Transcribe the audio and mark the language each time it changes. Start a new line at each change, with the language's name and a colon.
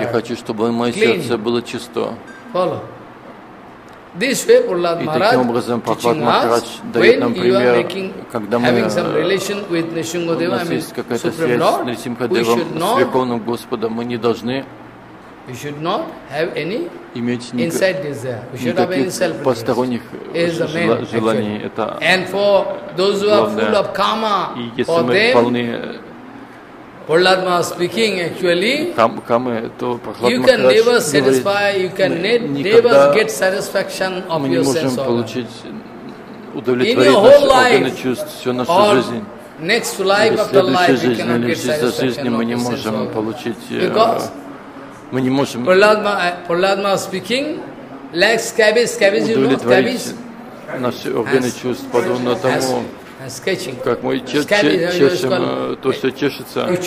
Russian: Я хочу, чтобы мое сердце было чисто.
English: Follow. This way, Prahlad Maharaj teaching us, when you are making, having some relation with Нрисимхадева, I mean, Supreme Lord, we should not. We should not have any inside desire. We should have any self-interest. Is the main
Russian: желаний,
English: actually. And for those who are full of karma, for them, Prahlad Maharaj speaking actually, you can never satisfy, you can never get satisfaction of your sense organ. In your whole life, or next life after life, you cannot get satisfaction of your sense organ.
Russian: Мы не можем.
English: Prahlad Ma speaking, like cabbage, you know, cabbage.
Russian: Наши органы чувств подобно тому, как мы чешем то, что чешется.